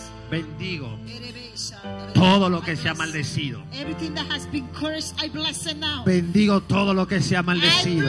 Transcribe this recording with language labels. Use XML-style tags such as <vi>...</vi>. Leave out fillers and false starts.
<es>bendigo todo lo que se ha maldecido.</es> <en>Everything that has been cursed, I bless it now.</en> <es>Bendigo todo lo que se ha maldecido.</es>